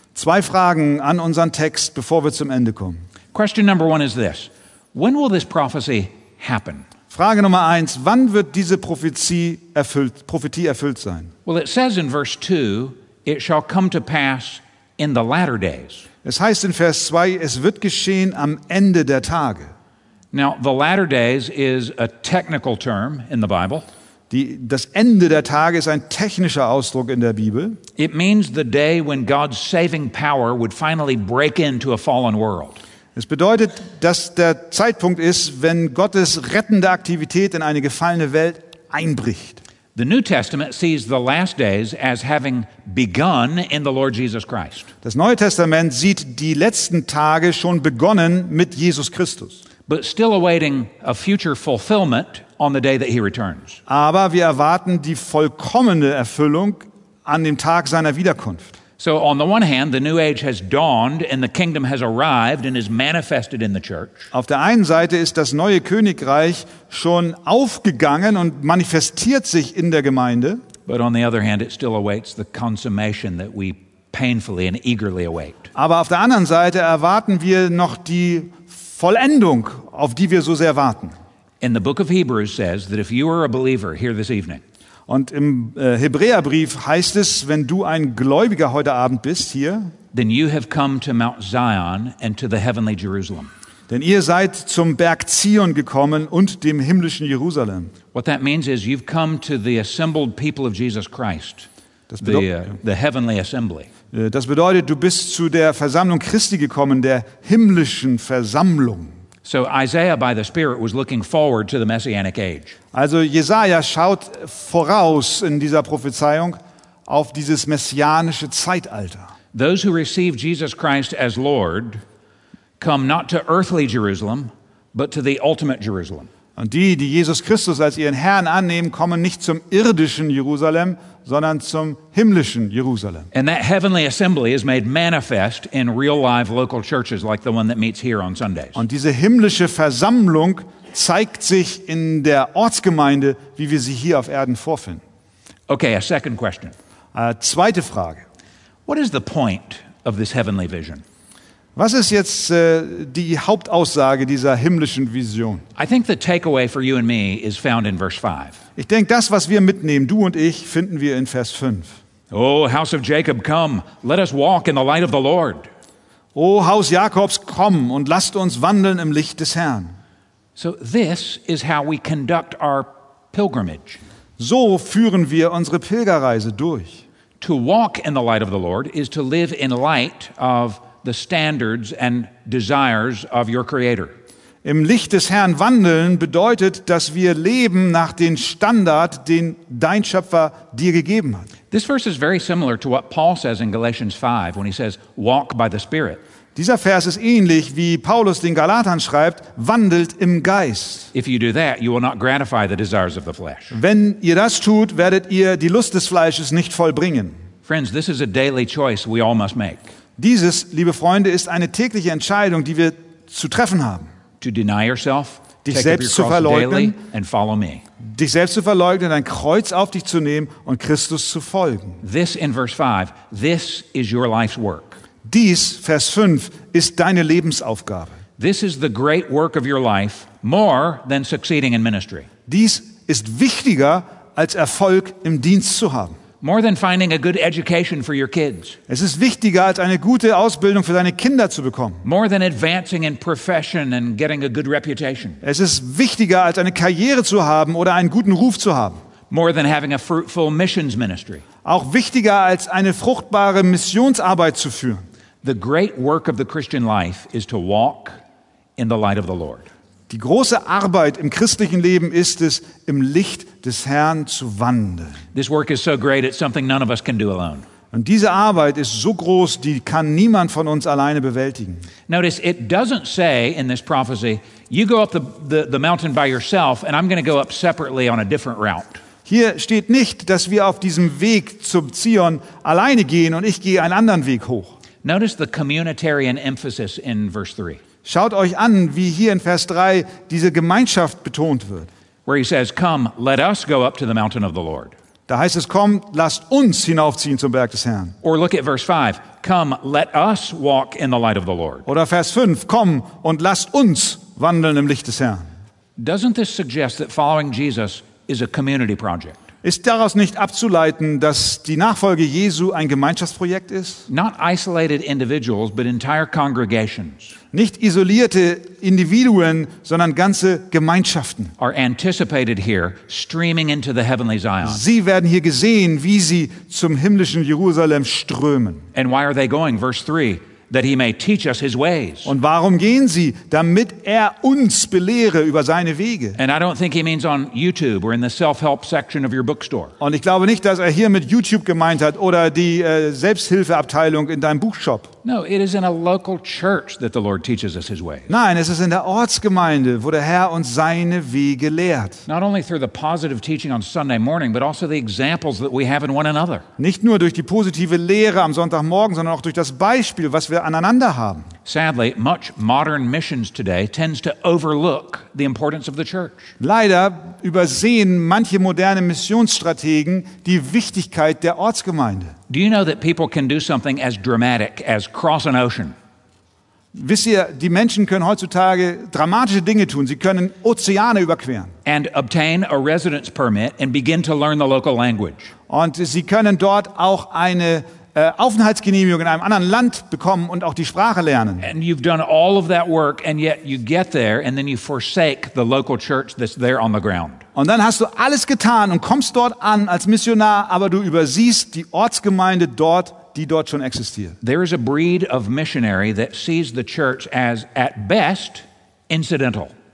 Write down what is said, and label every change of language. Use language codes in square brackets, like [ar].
[de] Zwei Fragen an unseren Text, bevor wir zum Ende kommen. [en] Question number one is this: When will this prophecy happen? [de] Frage Nummer eins: Wann wird diese Prophetie erfüllt sein? [en] Well, it says in verse 2. It shall come to pass in the latter days. [de] Es heißt in Vers 2, es wird geschehen am Ende der Tage. [en] Now, the latter days is a technical term in the Bible. [de] Das Ende der Tage ist ein technischer Ausdruck in der Bibel. [en] It means the day when God's saving power would finally break into a fallen world. [de] Es bedeutet, dass der Zeitpunkt ist, wenn Gottes rettende Aktivität in eine gefallene Welt einbricht. [en] The New Testament sees the last days as having begun in the Lord Jesus Christ. [de] Das Neue Testament sieht die letzten Tage schon begonnen mit Jesus Christus. [en] But still awaiting a future fulfillment on the day that he returns. [de] Aber wir erwarten die vollkommene Erfüllung an dem Tag seiner Wiederkunft. [en] So on the one hand, the new age has dawned and the kingdom has arrived and is manifested in the church. [de] Auf der einen Seite ist das neue Königreich schon aufgegangen und manifestiert sich in der Gemeinde. [en] But on the other hand, it still awaits the consummation that we painfully and eagerly await. [de] Aber auf der anderen Seite erwarten wir noch die Vollendung, auf die wir so sehr warten. [en] In the book of Hebrews says that if you are a believer here this evening, [de] Und im Hebräerbrief heißt es, wenn du ein Gläubiger heute Abend bist hier, [en] then you have come to Mount Zion and to the heavenly Jerusalem. [de] Denn ihr seid zum Berg Zion gekommen und dem himmlischen Jerusalem. [en] What that means is you've come to the assembled people of Jesus Christ. [de] Das bedeutet [en] the heavenly assembly. [de] Das bedeutet, du bist zu der Versammlung Christi gekommen, der himmlischen Versammlung. [en] So Isaiah by the Spirit was looking forward to the messianic age. [de] Also Jesaja schaut voraus in dieser Prophezeiung auf dieses messianische Zeitalter. [en] Those who receive Jesus Christ as Lord come not to earthly Jerusalem, but to the ultimate Jerusalem. [de] Und die, die Jesus Christus als ihren Herrn annehmen, kommen nicht zum irdischen Jerusalem, sondern zum himmlischen Jerusalem. [en] And that heavenly assembly is made manifest in real live local churches like the one that meets here on Sundays. [de] Und diese himmlische Versammlung zeigt sich in der Ortsgemeinde, wie wir sie hier auf Erden vorfinden. [en] Okay, a second question. [de] Zweite Frage. [en] What is the point of this heavenly vision? [de] Was ist jetzt die Hauptaussage dieser himmlischen Vision? [en] I think the takeaway for you and me is found in verse 5. [de] Ich denke, das, was wir mitnehmen, du und ich, finden wir in Vers 5. [en] O house of Jacob, come, let us walk in the light of the Lord. [de] O Haus Jakobs, komm und lasst uns wandeln im Licht des Herrn. [en] So this is how we conduct our pilgrimage. [de] So führen wir unsere Pilgerreise durch. [en] To walk in the light of the Lord is to live in light of the standards and desires of your Creator. [de] Im Licht des Herrn wandeln bedeutet, dass wir leben nach den Standard, den dein Schöpfer dir gegeben hat. [en] This verse is very similar to what Paul says in Galatians 5 when he says, walk by the Spirit. [de] Dieser Vers ist ähnlich, wie Paulus den Galatern schreibt, wandelt im Geist. [en] If you do that, you will not gratify the desires of the flesh. [de] Wenn ihr das tut, werdet ihr die Lust des Fleisches nicht vollbringen. [en] Friends, this is a daily choice we all must make. [de] Dieses, liebe Freunde, ist eine tägliche Entscheidung, die wir zu treffen haben. [en] To deny yourself, [de] dich selbst zu verleugnen [en] and follow me. [de] Dich selbst zu verleugnen, ein Kreuz auf dich zu nehmen und Christus zu folgen. [en] This in verse 5, this is your life's work. [de] Dies, Vers 5, ist deine Lebensaufgabe. [en] This is the great work of your life, more than succeeding in ministry. [de] Dies ist wichtiger als Erfolg im Dienst zu haben. [en] More than finding a good education for your kids. [de] Es ist wichtiger als eine gute Ausbildung für deine Kinder zu bekommen. [en] More than advancing in profession and getting a good reputation. [de] Es ist wichtiger als eine Karriere zu haben oder einen guten Ruf zu haben. [en] More than having a fruitful missions ministry. [de] Auch wichtiger als eine fruchtbare Missionsarbeit zu führen. [en] The great work of the Christian life is to walk in the light of the Lord. [de] Die große Arbeit im christlichen Leben ist es, im Licht des Herrn zu wandeln. [en] This work is so great, it's something none of us can do alone. [de] Und diese Arbeit ist so groß, die kann niemand von uns alleine bewältigen. [en] Notice, it doesn't say in this prophecy, you go up the mountain by yourself and I'm going to go up separately on a different route. [de] Hier steht nicht, dass wir auf diesem Weg zum Zion alleine gehen und ich gehe einen anderen Weg hoch. [en] Notice the communitarian emphasis in verse 3. [de] Schaut euch an, wie hier in Vers 3 diese Gemeinschaft betont wird. [en] Where he says, come, let us go up to the mountain of the Lord. [de] Da heißt es, komm, lasst uns hinaufziehen zum Berg des Herrn. [en] Or look at verse 5, come, let us walk in the light of the Lord. [de] Oder Vers 5, komm und lasst uns wandeln im Licht des Herrn. [en] Doesn't this suggest that following Jesus is a community project? [de] Ist daraus nicht abzuleiten, dass die Nachfolge Jesu ein Gemeinschaftsprojekt ist? [en] Not isolated individuals, but entire congregations. [de] Nicht isolierte Individuen, sondern ganze Gemeinschaften. [en] Are anticipated here, streaming into the heavenly Zion. [de] Sie werden hier gesehen, wie sie zum himmlischen Jerusalem strömen. [en] And why are they going? Verse 3, that he may teach us his ways. [de] Und warum gehen sie? Damit er uns belehre über seine Wege. [en] And I don't think he means on YouTube or in the self-help section of your bookstore. [de] Und ich glaube nicht, dass er hier mit YouTube gemeint hat oder die Selbsthilfeabteilung in deinem Buchshop. [en] No, it is in a local church that the Lord teaches us his ways. [de] Nein, es ist in der Ortsgemeinde, wo der Herr uns seine Wege lehrt. [en] Not only through the positive teaching on Sunday morning, but also the examples that we have in one another. [de] Nicht nur durch die positive Lehre am Sonntagmorgen, sondern auch durch das Beispiel, was wir aneinander haben. [en] Sadly, much modern missions today tends to overlook the importance of the church. [de] Leider übersehen manche moderne Missionsstrategen die Wichtigkeit der Ortsgemeinde. [en] Do you know that people can do something as dramatic as cross an ocean? [de] Wisst ihr, die Menschen können heutzutage dramatische Dinge tun. Sie können Ozeane überqueren. [en] And obtain a residence permit and begin to learn the local language. [de] Und sie können dort auch eine Aufenthaltsgenehmigung in einem anderen Land bekommen und auch die Sprache lernen. [en] And you've done all of that work and yet you get there and then you forsake the local church that's there on the ground. [de] Und dann hast du alles getan und kommst dort an als Missionar, aber du übersiehst die Ortsgemeinde dort, die dort schon existiert. [en] There is a breed of missionary that sees the church as at best incidental.